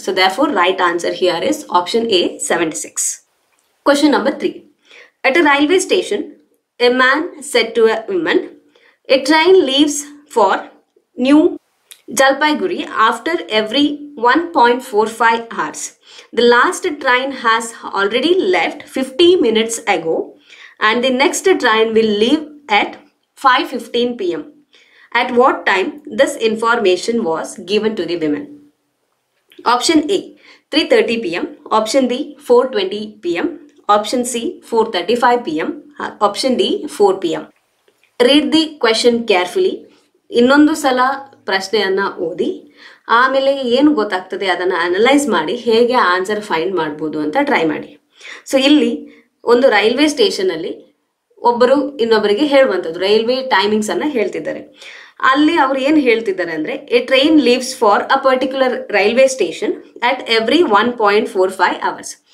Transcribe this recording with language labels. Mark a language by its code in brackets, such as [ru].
[en] So therefore right answer here is option A 76. Question number 3. At a railway station a man said to a woman, a train leaves for new Jalpaiguri after every 1.45 hours. The last train has already left 50 minutes ago and the next train will leave at 5:15 p.m. At what time this information was given to the women? Option A 3:30 p.m. Option B 4:20 p.m. Option C 4:35 p.m. Option D 4 p.m. Read the question carefully. [kn] ಇನ್ನೊಂದು ಸಲ ಪ್ರಶ್ನೆಯನ್ನು ಓದಿ ಆಮೇಲೆ ಏನು ಗೊತ್ತಾಗ್ತದೆ ಅದನ್ನು analyse ಮಾಡಿ ಹೇಗೆ ಆನ್ಸರ್ ಫೈಂಡ್ ಮಾಡ್ಬೋದು ಅಂತ ಟ್ರೈ ಮಾಡಿ. ಸೊ ಇಲ್ಲಿ ಒಂದು ರೈಲ್ವೆ ಸ್ಟೇಷನಲ್ಲಿ ಒಬ್ಬರು ಇನ್ನೊಬ್ಬರಿಗೆ ಹೇಳುವಂಥದ್ದು, ರೈಲ್ವೆ ಟೈಮಿಂಗ್ಸನ್ನು ಹೇಳ್ತಿದ್ದಾರೆ. ಅಲ್ಲಿ ಅವರು ಏನು ಹೇಳ್ತಿದ್ದಾರೆ ಅಂದರೆ [en] A train leaves for a particular railway station at every 1.45 hours.